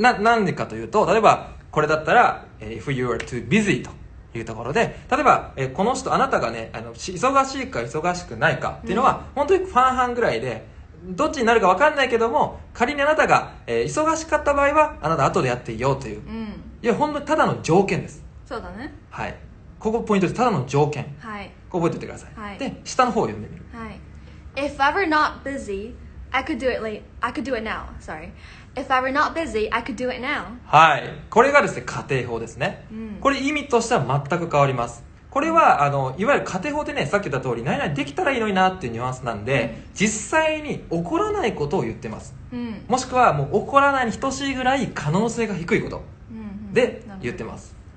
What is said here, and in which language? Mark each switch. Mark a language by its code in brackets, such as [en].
[ja] なんでかというと、例えばこれだったら [en] If you are too busy [ja] というところで、例えば、この人、あなたがね、あの、忙しいか忙しくないかっていうのは、うん、本当に半々ぐらいで、どっちになるか分かんないけども、仮にあなたが、忙しかった場合はあなた後でやっていようという、うん、いや、ほんのただの条件です。そうだね。はい。ここポイントです。ただの条件。はい。覚えておいてください、はい、で下の方を読んでみる、はい、 [en] If I were not busy I could do it late I could do it now SorryIf I were not busy, I could do it now. [ja] はい、これがですね、仮定法ですね、うん、これ意味としては全く変わります。これはいわゆる仮定法ってね、さっき言った通り何々できたらいいのになっていうニュアンスなんで、うん、実際に起こらないことを言ってます、うん、もしくはもう起こらないに等しいぐらい可能性が低いことで言ってます、